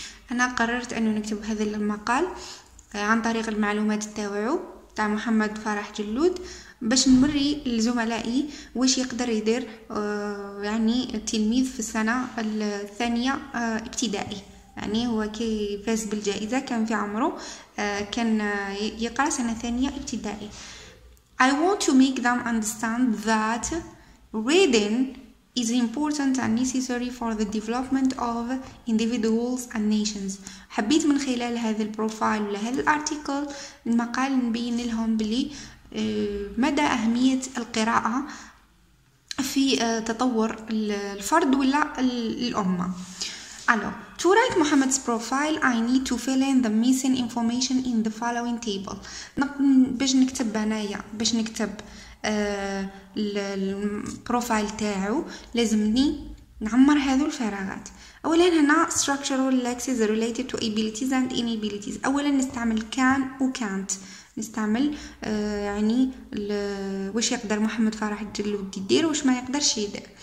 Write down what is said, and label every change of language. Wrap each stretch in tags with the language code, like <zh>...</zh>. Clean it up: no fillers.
<ar>انا قررت انه نكتب هذا المقال عن طريق المعلومات تاعو تاع محمد فرح جلود باش نمري لزملائي واش يقدر يدير يعني التلميذ في السنه الثانيه ابتدائي. يعني هو كي فاز بالجائزه كان في عمره كان يقرا سنه ثانيه ابتدائي.</ar> <en>I want to make them understand that reading is important and necessary for the development of individuals and nations.</en> <ar>حبيت من خلال هذا البروفايل ولا هذا الارتيكل المقال نبين لهم بلي مدى أهمية القراءة في تطور الفرد ولا الأمة.</ar> <en>Hello. To write Muhammad's profile, I need to fill in the missing information in the following table.</en> <ar>باش نكتب بنايا باش نكتب البروفايل تاعو لازمني نعمر هذو الفراغات. اولا هنا</ar> <en>structural lexis related to abilities and inabilities.</en> <ar>اولا نستعمل can و can't نستعمل يعني واش يقدر محمد فرح جلود يدير واش ما يقدرش يدير.</ar>